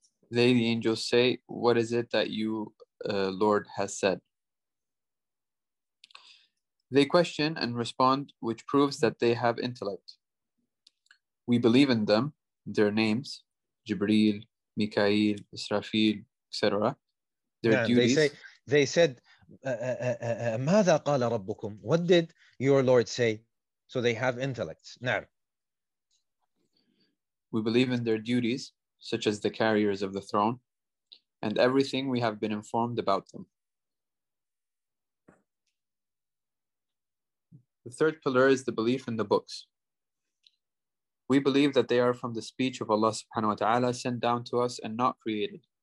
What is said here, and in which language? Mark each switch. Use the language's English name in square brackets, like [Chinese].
[English] They, the angels, say, what is it that you, Lord, has said? They question and respond, which proves that they have intellect. We believe in them, their names, Jibreel, Mikael, Israfil, etc. Their duties. They said, [Arabic] ماذا قال ربكم? [English] What did your Lord say? So they have intellects. Now. We believe in their duties, such as the carriers of the throne, and everything we have been informed about them. The third pillar is the belief in the books. We believe that they are from the speech of Allah subhanahu wa ta'ala sent down to us and not created.